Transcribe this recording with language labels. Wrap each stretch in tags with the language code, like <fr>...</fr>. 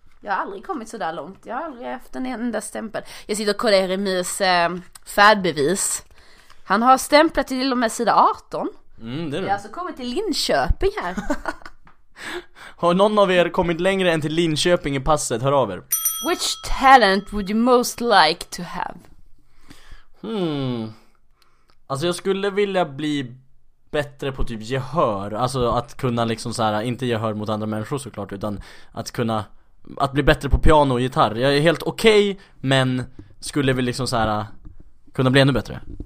<sv>Jag har aldrig kommit så där långt. Jag har aldrig haft en enda stämpel. Jag sitter och kollar Remis färdbevis. Han har stämplat till och med sida 18. Mm, det är det. Jag har alltså kommit till Linköping här. Har någon av er kommit längre än till Linköping i passet? Hör av er.</sv> <en>Which talent would you most like to have?</en> <sv>Alltså jag skulle vilja bli bättre på typ gehör. Alltså att kunna liksom så här, inte gehör mot andra människor såklart, utan att kunna, att bli bättre på piano och gitarr. Jag är helt okej, men skulle väl liksom så här kunna bli ännu bättre.</sv>